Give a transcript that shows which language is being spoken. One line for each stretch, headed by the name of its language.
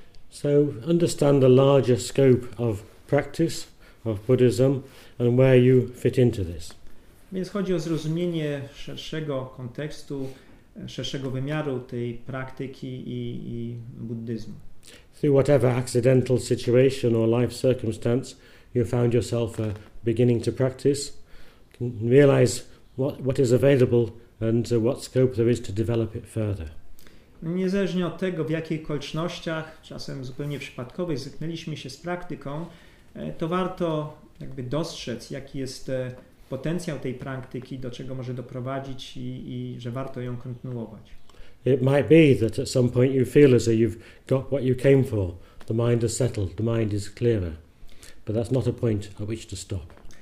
English: So understand the larger scope of practice of Buddhism and where you fit into this.
Polish: Więc chodzi o zrozumienie szerszego kontekstu, szerszego wymiaru tej praktyki i buddyzmu.
English: Through whatever accidental situation or life circumstance you found yourself beginning to practice, can realize what is available and what scope there is to develop it further.
Polish: Niezależnie od tego, w jakich okolicznościach, czasem zupełnie przypadkowych, zetknęliśmy się z praktyką, to warto jakby dostrzec, jaki jest potencjał tej praktyki, do czego może doprowadzić i że warto ją kontynuować.
English: It might be that at some point you feel as though you've got what you came for. The mind is settled, the mind is clearer. But that's not a point at which to stop.